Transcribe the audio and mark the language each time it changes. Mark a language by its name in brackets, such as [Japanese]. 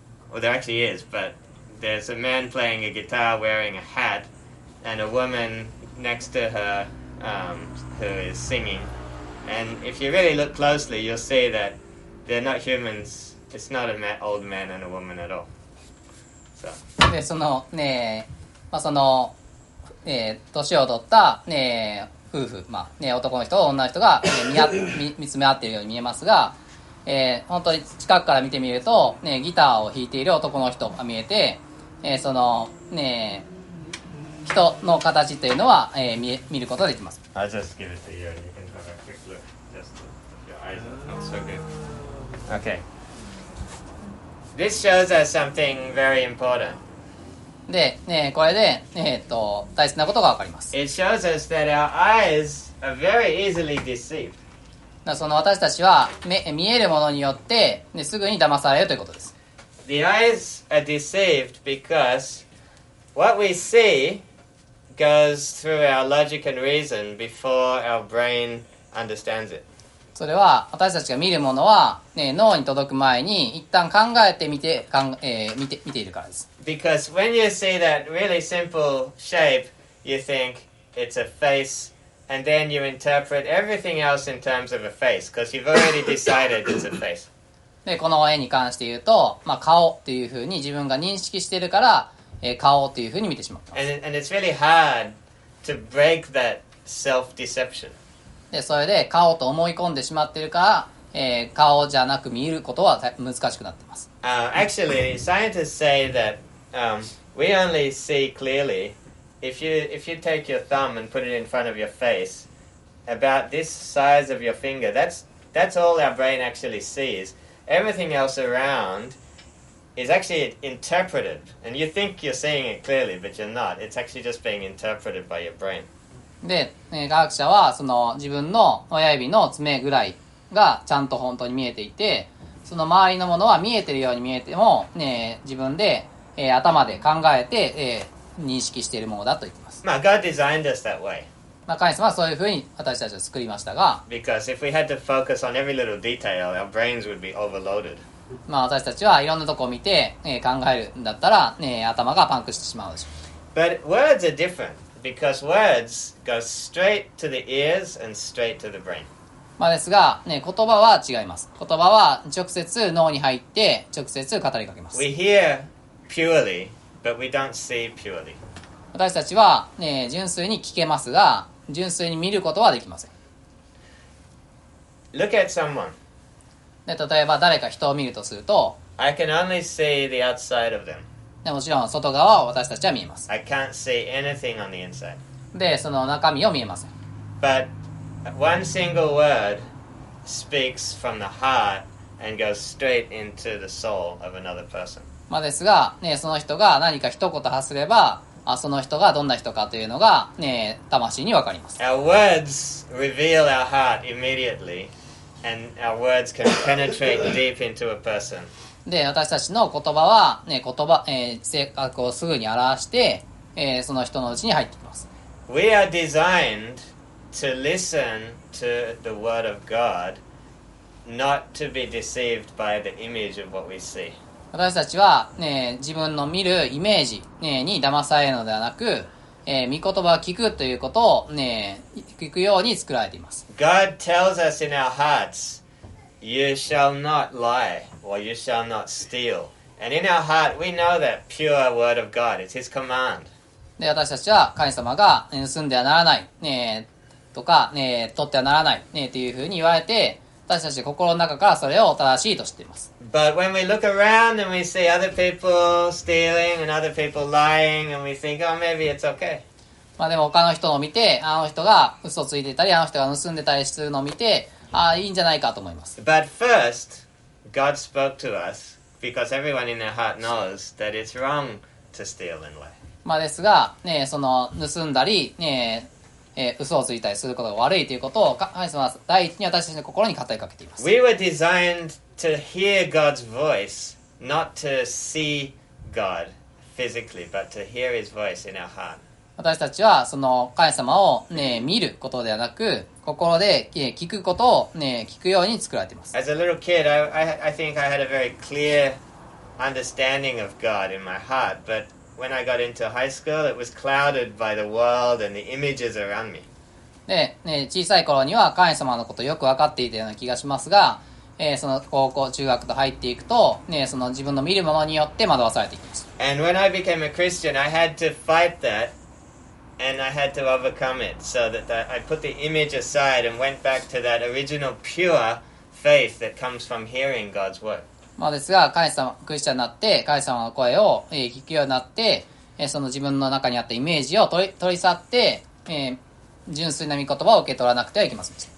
[English] Well, there actually is, but there's a man playing a guitar wearing a hat and a woman next to her... who is singing. And if you really look closely, you'll see that they're not humans. It's not an old man and a woman at all. So. [Japanese] で、そのね、まあ、その、年を取った、ね、夫婦、まあね、男の人と女の人が、ね、見つめ合っているように見えますが、本当に近くから見てみると、ね、ギターを弾いている男の人が見えて、そのね、人の形というのは、見ることができます。 [English] I'll just give it to you and you can have a quick look. Just your eyes are not so good. Okay. This shows us something very important. [Japanese] で、ね、これで、大切なことがわかります。 [English] It shows us that our eyes are very easily deceived. [Japanese] だその私たちは見えるものによって、ね、すぐに騙されるということです。 [English] The eyes are deceived because what we see... goes through our logic and reason before our brain understands it. [Japanese] それは私たちが見るものは、ね、脳に届く前に一旦考えてみて、見ているからです。 [English] Because when you see that really simple shape, you think it's a face, and then you interpret everything else in terms of a face, because you've already decided it's a face. [Japanese] で、この絵に関して言うと、まあ、顔というふうに自分が認識しているから、顔というふうに見てしまった。 [English] And it's really hard to break that self-deception. [Japanese] で、それで顔と思い込んでしまっているから、顔じゃなく見ることは難しくなっています。 [English] Actually, scientists say that we only see clearly if you take your thumb and put it in front of your face about this size of your finger. That's all our brain actually sees. Everything else around. Is actually interpreted, and you think you're seeing it clearly, but you're not. It's actually just being interpreted by your brain. [Japanese] で、科学者はその自分の親指の爪ぐらいがちゃんと本当に見えていて、その周りのものは見えてるように見えても、ね、自分で、頭で考えて、認識しているものだと言っています。 [English] まあ、God designed us that way. [Japanese] まあ、神様はそういうふうに私たちを作りましたが、 [English] Because if we had to focus on every little detail, our brains would be overloaded. [Japanese] まあ、私たちはいろんなとこを見て、考えるんだったら、ね、頭がパンクしてしまうでしょう。 [English] But words are different because words go straight to the ears and straight to the brain. [Japanese] まあですが、ね、言葉は違います。言葉は直接脳に入って直接語りかけます。 [English] We hear purely, but we don't see purely. [Japanese] 私たちは、ね、純粋に聞けますが、純粋に見ることはできません。 [English] Look at someone. [Japanese] で例えば誰か人を見るとすると [English] I can only see the outside of them. [Japanese] でもちろん外側を私たちは見えます [English] I can't see anything on the inside. [Japanese] でその中身を見えません [English] But one single word speaks from the heart and goes straight into the soul of another person. [Japanese] まあですが、ね、その人が何か一言発すればあその人がどんな人かというのが、ね、魂に分かります [English] Our words reveal our heart immediatelyAnd our words can penetrate deep into a person. [Japanese] で、私たちの言葉は、ね、性格をすぐに表して、その人のうちに入ってきます。 [English] We are designed to listen to the word of God, not to be deceived by the image of what we see. [Japanese] 私たちは、ね、自分の見るイメージ、ね、に騙されるのではなく、御言葉を聞くということを、ね、聞くように作られています。 [English] God tells us in our hearts, you shall not lie or you shall not steal. And in our heart, we know that pure word of God, it's His command. [Japanese] で、私たちは神様が盗んではならない、とか、ね、取ってはならない、ね、っていうふうに言われて、私たち心の中からそれを正しいと知っています。 [English] But when we look around and we see other people stealing and other people lying and we think, oh, maybe it's okay. [Japanese] まあでも他の人を見て、あの人が嘘ついてたり、あの人が盗んでたりするのを見て、ああ、いいんじゃないかと思います。 [English] But first, God spoke to us because everyone in their heart knows that it's wrong to steal and lie. [Japanese] まあですが、ね、その盗んだり、ね、嘘をついたりすることが悪いということを神様は第一に私たちの心に語りかけています。 [English] We were designed to hear God's voice, not to see God physically, but to hear His voice in our heart. [Japanese] 私たちはその神様を、ね、見ることではなく心で聞くことを、ね、聞くように作られています。 [English] As a little kid, I think I had a very clear understanding of God in my heart, butWhen I got into high school, it was clouded by the world and the images around me. [Japanese] で、ね、小さい頃には神様のことをよく分かっていたような気がしますが、その高校、中学と入っていくと、ね、その自分の見るものによって惑わされていきます。 [English] And when I became a Christian, I had to fight that and I had to overcome it so that I put the image aside and went back to that original pure faith that comes from hearing God's word. [Japanese] まあですが、神様、クリスチャンになって、神様の声を聞くようになって、その自分の中にあったイメージを取り去って、純粋な御言葉を受け取らなくてはいけません。